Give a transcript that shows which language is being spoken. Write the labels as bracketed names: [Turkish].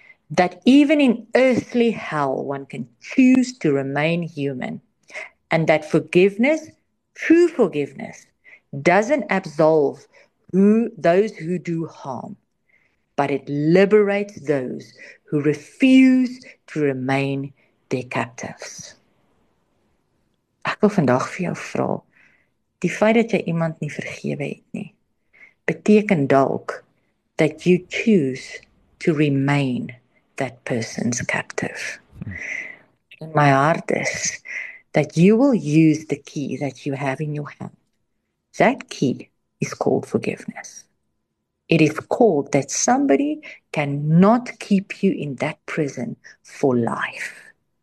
[English] That even in earthly hell, one can choose to remain human. And that forgiveness, true forgiveness, doesn't absolve those who do harm, but it liberates those who refuse to remain their captives. [Afrikaans] Ek wil vandag vir jou vra, die feit dat jy iemand nie vergewe het nie, beteken dalk [English] that you choose to remain that person's captive. In my heart is that you will use the key that you have in your hand. That key is called forgiveness. It is called that somebody cannot keep you in that prison for life.